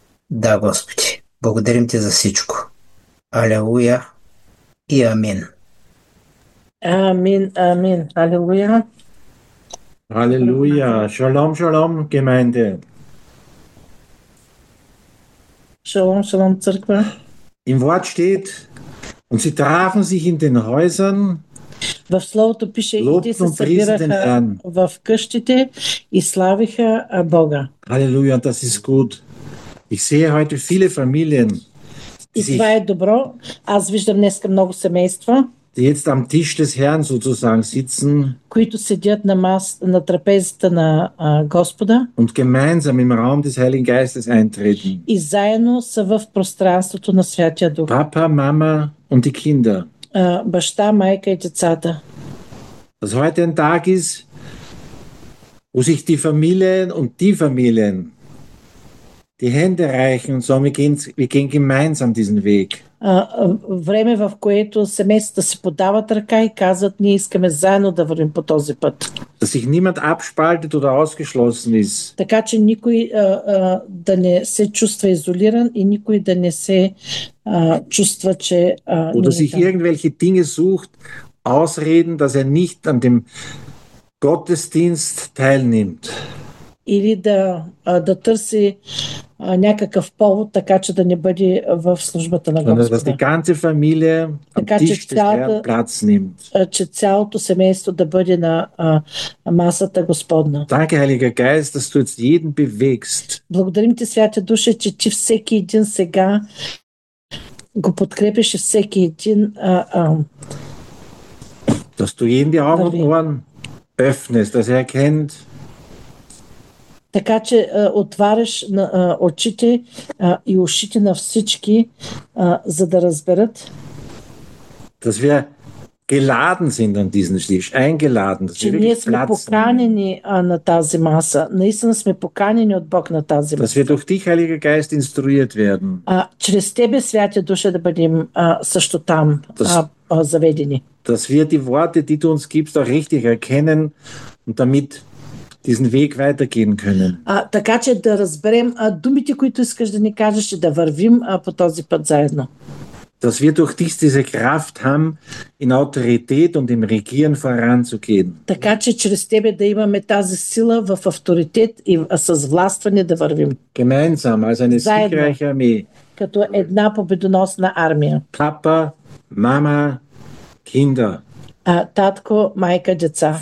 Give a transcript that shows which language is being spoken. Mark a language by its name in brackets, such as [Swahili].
[Bulgarian] Да, Господи, благодарим Ти за всичко. Алелуя и амин. Амин, амин. Алелуя. Алелуя. [German] Шалом, шалом, Gemeinde. [Bulgarian] Шалом, шалом, Църква. [German] Im Wort steht, und sie trafen sich in den Häusern, [Bulgarian] в Словото пише, лобт и те се събираха в къщите и славиха Бога. [German] Алелуя, das ist gut. Ich sehe heute viele Familien, [Bulgarian] и това е добро. Аз виждам днеска много семейства, [German] die jetzt am Tisch des Herrn sozusagen sitzen, [Bulgarian] които седят на на трапезата на Господа, [German] und gemeinsam im Raum des Heiligen Geistes eintreten. [Bulgarian] И заедно са в пространството на Святия Дух. [German] Papa, Mama und die Kinder. [Bulgarian] Баща, майка и децата. [German] Dass heute ein Tag ist, wo sich die Familien und die Familien die Hände reichen und sagen, wir gehen gemeinsam diesen Weg. [Bulgarian] Време, в което семействата се подават ръка и казват, ние искаме заедно да вървим по този път. [German] Dass sich niemand abspaltet oder ausgeschlossen ist. [Bulgarian] Така че никой да не се чувства изолиран и никой да не се чувства, че [German] oder sich irgendwelche Dinge sucht, ausreden, dass er nicht an dem Gottesdienst teilnimmt. [Bulgarian] Или да търси някакъв повод, така че да не бъде в службата на Господа. [German] Dass die ganze Familie am Tisch des Herrn Platz nimmt. [Bulgarian] Че цялото семейство да бъде на масата Господна. [German] Danke, Heiliger Geist, dass du jetzt jeden bewegst. [Bulgarian] Благодарим Ти, Святе Душе, че Ти всеки един сега го подкрепиш и всеки един [German] dass du jeden die Augen und Ohren öffnest, dass er erkennt, [Bulgarian] така че отваряш на очите и ушите на всички, за да разберат, [German] dass wir geladen sind an diesen Tisch, eingeladen, dass wir wirklich Platz nehmen. [Bulgarian] Ние сме поканени на тази маса. Наистина сме поканени от Бог на тази маса. [German] Dass wir durch dich, Heiliger Geist, instruiert werden. [Bulgarian] Чрез Тебе, Святе Душе, да бъдем също там заведени. [German] Dass wir die Worte, die du uns gibst, auch richtig erkennen und damit diesen Weg weitergehen können. [Bulgarian] Така че да разберем думите, които искаш да ни кажеш, да вървим по този път заедно. [German] Dass wir durch dich diese Kraft haben, in Autorität und im Regieren voranzugehen. [Bulgarian] Така че чрез Тебе да имаме тази сила в авторитет и с властване да вървим. [German] Gemeinsam, als eine [Bulgarian] заедно, [German] siegreiche Armee. [Bulgarian] Като една победоносна армия. [German] Papa, Mama, Kinder. [Bulgarian] Татко, майка, деца.